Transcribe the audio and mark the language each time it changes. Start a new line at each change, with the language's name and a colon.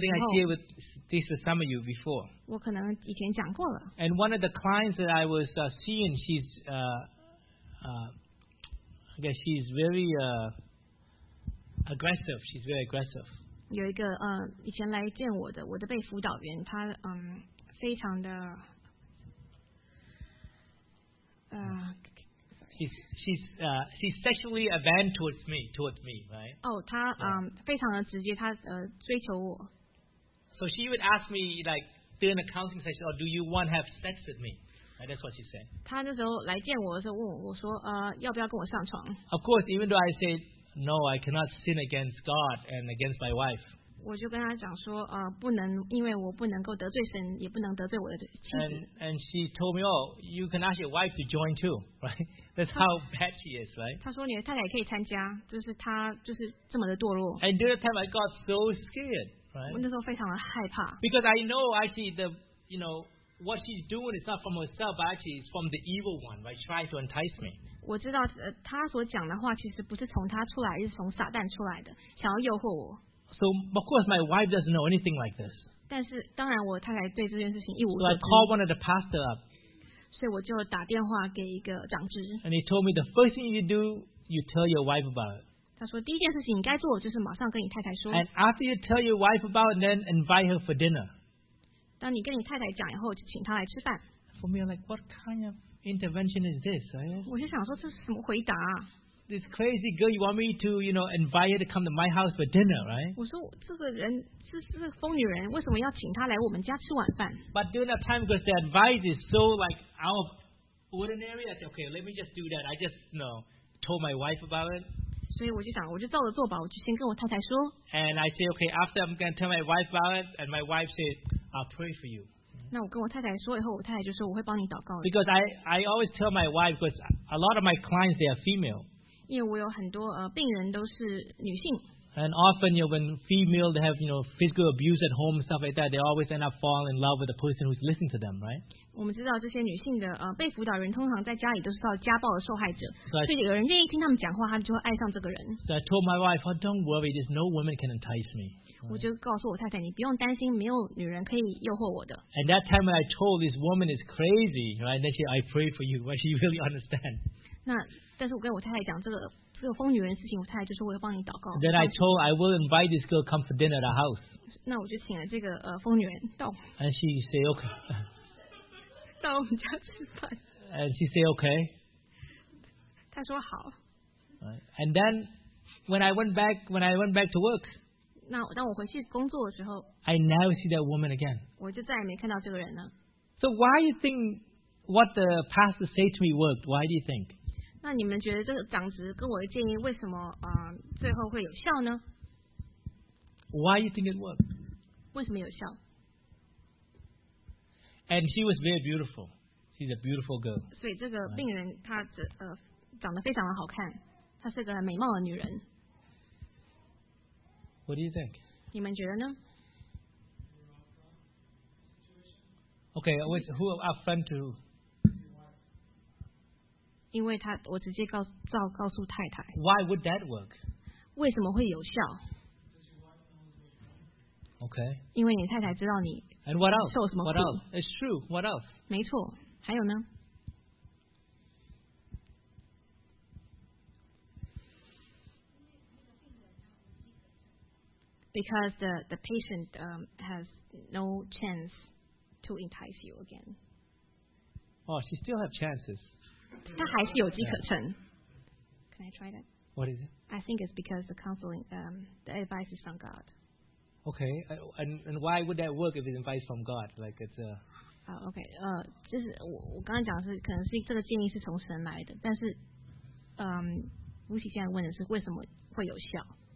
English: 候。I think I shared with this with some of you before.
Chinese: 我可能以前讲过了。
English: And one of the clients that I was seeing, she's I guess she's very aggressive. She's very aggressive.
Chinese: 有一个以前来见我的被辅导员，她非常的。
English: She's sexually advanced towards me, right?
Chinese: Oh, 她非常的直接，她追求我。
English: So she would ask me like during a counseling session, or do you want to have sex with me? Right, that's what she said.
Chinese: 她那时候来见我的时候问我，我说要不要跟我上床
English: ？Of course, even though I said no, I cannot sin against God and against my wife.
Chinese: 我就跟她讲说不能，因为我不能够得罪神，也不能得罪我的妻子。
English: And she told me, oh, you can ask your wife to join too, right? That's how bad she is, right?
Chinese: 他说你的太太也可以参加，就是他就是这么的堕落。
English: And during that time, I got so scared, right?
Chinese: 我那时候非常的害怕。
English: Because I know, actually, the you know what she's doing is not from herself, but actually it's from the evil one, right? Trying to entice me.
Chinese: 我知道他所讲的话其实不是从他出来，是从撒旦出来的，想要诱惑我。
English: So of course, my wife doesn't know anything like this.
Chinese: 但是当然，我太太对这件事情一无所知。
English: So I called one of the pastors up.
Chinese: 所以我就打电话给一个长执。
English: And he told me the first thing you do, you tell your wife about it.
Chinese: 他说第一件事情你该做就是马上跟你太太说。
English: And after you tell your wife about it, then invite her for dinner.
Chinese: 当你跟你太太讲以后，就请她来吃饭。
English: For me, I'm like, what kind of intervention is this?
Chinese: 我就想说这是什么回答、啊、
English: ？This crazy girl, you want me to, you know, invite her to come to my house for dinner, right?
Chinese: 我说这个人。是疯女人，为什么要请她来我们家吃晚饭
English: ？But during that time, because the advice is so like out of ordinary, I said, okay, let me just do that. I just, you know, told my wife about it.
Chinese: 所以我就想，我就照着做吧，我就先跟我太太说。
English: And I say, okay, after I'm going to tell my wife about it, and my wife said, I'll pray for you.
Chinese: 那我跟我太太说以后，我太太就说我会帮你祷告。
English: Because I always tell my wife, because a lot of my clients they are female.
Chinese: 因为我有很多病人都是女性。
English: And often, you know, when female they have, you know, physical abuse at home and stuff like that, they always end up falling in love with the person who's listening to them, right?
Chinese: 我们知道这些女性的被辅导人通常在家里都是到家暴的受害者，所以有人愿意听他们讲话，他们就会爱上这个人。
English: So I told my wife, "Oh, don't worry, there's no woman can entice me."
Chinese: 我就告诉我太太，你不用担心，没有女人可以诱惑我的。
English: And that time when I told this woman is crazy, right? Then she, I pray for you, but she really understand.
Chinese: 那但是我跟我太太讲这个。这个疯女人的事情，我太太就是为了帮你祷告。
English: Then I told I will invite this girl come for dinner at our house.
Chinese: 那我就请了这个疯女人到。
English: And she say okay.
Chinese: 到我们家吃饭。
English: And she say okay.
Chinese: 她说好。
English: And then when I went back to work.
Chinese: 那当我回去工作的时候。
English: I never see that woman again.
Chinese: 我就再也没看到这个人了。
English: So why do you think what the pastor say to me worked? Why do you think?
Chinese: 那你们觉得这个长职跟我的建议为什么最后会有效呢
English: ？Why you think it worked？
Chinese: 为什么有效
English: And she was very beautiful. She's a beautiful girl.
Chinese: 所以这个病人她长得非常的好看，她是个美貌的女人。
English: What do you think?
Chinese: 你们觉得呢？
English: Okay, which, who are our friend to?
Chinese: 因为他，我直接告诉太太。
English: Why would that work?
Chinese: 为什么会有效
English: ？Okay.
Chinese: 因为你太太知道你受什么苦。
English: And what else? What else? It's true. What else?
Chinese: 没错，还有呢
English: ？Because the patient has no chance. To entice you again. Oh, she still has chances.
Chinese: 她还是有机可乘。
English: Yeah. Can I try that? What is it? I think it's because the counseling, the advice is from God. Okay, and why would that work if it's advice from God? Like it's a.
Chinese: Okay, 就是我刚刚讲的是可能是这个建议是从神来的，但是，吴奇现在问的是为什么会有效？